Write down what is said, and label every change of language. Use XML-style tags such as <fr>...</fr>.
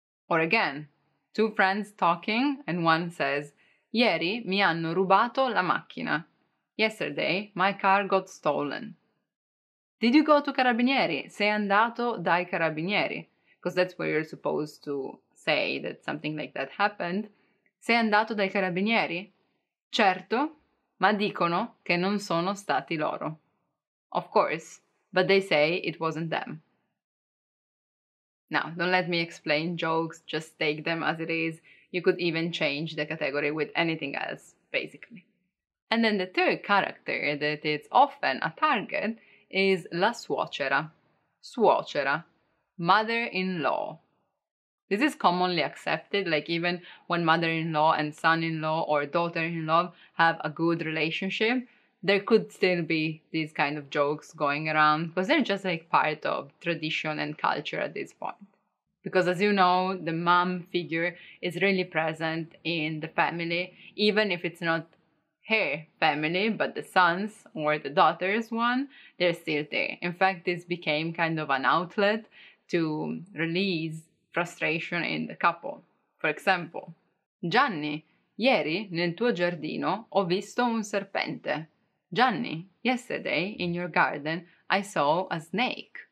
<en>Or again, two friends talking and one says,</en> <it>ieri mi hanno rubato la macchina,</it> <en>yesterday my car got stolen. Did you go to carabinieri?</en> <it>Sei andato dai carabinieri?</it> <en>Because that's where you're supposed to say that something like that happened.</en> <it>Sei andato dai carabinieri? Certo, ma dicono che non sono stati loro.</it> <en>Of course, but they say it wasn't them. Now, don't let me explain jokes, just take them as it is. You could even change the category with anything else, basically. And then the third character that is often a target is la suocera. Suocera. Mother-in-law. This is commonly accepted, like even when mother-in-law and son-in-law or daughter-in-law have a good relationship, there could still be these kind of jokes going around, because they're just like part of tradition and culture at this point. Because as you know, the mom figure is really present in the family, even if it's not her family, but the son's or the daughter's one, they're still there. In fact, this became kind of an outlet to release frustration in the couple. For example,</en> <it>Gianni, ieri nel tuo giardino ho visto un serpente.</it> <en>Gianni, yesterday in your garden I saw a snake.</en>